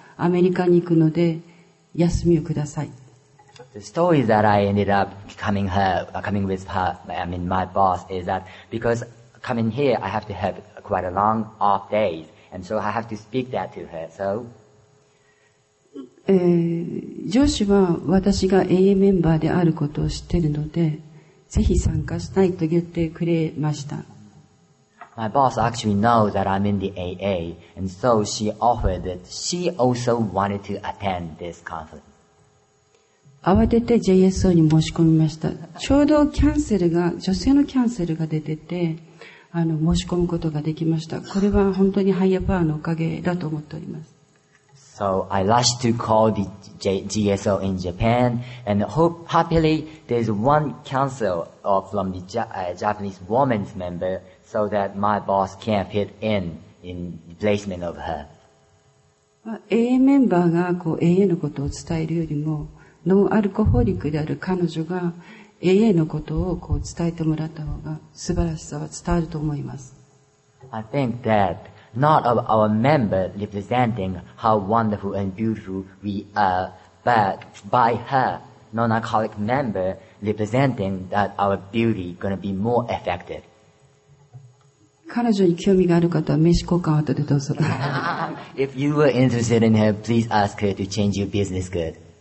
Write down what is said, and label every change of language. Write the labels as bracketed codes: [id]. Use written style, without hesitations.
[ja] アメリカに行くので休みをください。 [en] The story that I ended up coming with her, I mean my boss, is that because coming here I have to have quite a long off days, and so I have to speak that to her. So, [ja] 上司は私が AA メンバーであることを知っているので、ぜひ参加したいと言ってくれました。 [en] My boss actually knows that I'm in the AA, and so she offered that she also wanted to attend this conference. [ja] 慌てて JSO に申し込みました。ちょうどキャンセルが、女性のキャンセルが出てて、申し込むことができました。これは本当にハイヤパワーのおかげだと思っております。 [en] So I rushed to call the GSO in Japan, and happily there's one cancel from the Japanese woman's member, so that my boss can fit in the placement of her. [ja] AA メンバーがこう AA のことを伝えるよりも、ノンアルコホリックである彼女が AA のことをこう伝えてもらった方が素晴らしさは伝わると思います。 [en] I think that not of our member representing how wonderful and beautiful we are, but by her non-alcoholic member representing that our beauty is going to be more effective. [ja] 彼女に興味がある方は名刺交換を後でどうぞ。 [en] If you were interested in her, please ask her to change your business card.